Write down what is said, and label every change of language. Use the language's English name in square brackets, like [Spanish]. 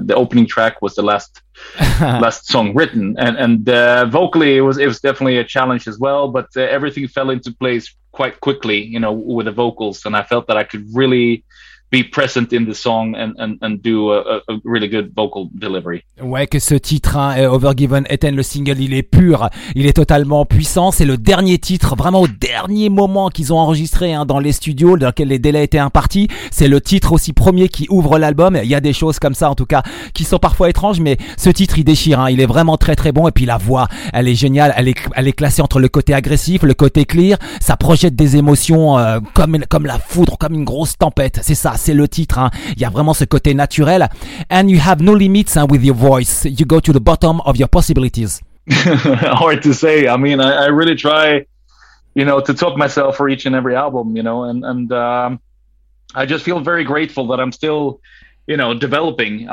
[English] The opening track was the last song written, and vocally it was definitely a challenge as well, but everything fell into place quite quickly, you know, with the vocals, and I felt that I could really be present in the song and do a really good vocal delivery. [French] Ouais, que ce titre, hein, Overgiven Eden, le single, il est pur, il est totalement puissant. C'est le dernier titre, vraiment au dernier moment qu'ils ont enregistré, hein, dans les studios, dans lequel les délais étaient impartis. C'est le titre aussi premier qui ouvre l'album. Il y a des choses comme ça, en tout cas, qui sont parfois étranges, mais ce titre, il déchire, hein. Il est vraiment très très bon. Et puis la voix, elle est géniale. Elle est classée entre le côté agressif, le côté clear. Ça projette des émotions comme la foudre, comme une grosse tempête. C'est ça. Ça, c'est le titre, hein. Il y a vraiment ce côté naturel. [English] And you have no limits, hein, with your voice. You go to the bottom of your possibilities. Hard to say. I mean, I really try, you know, to top myself for each and every album, you know. And I just feel very grateful that I'm still, you know, developing.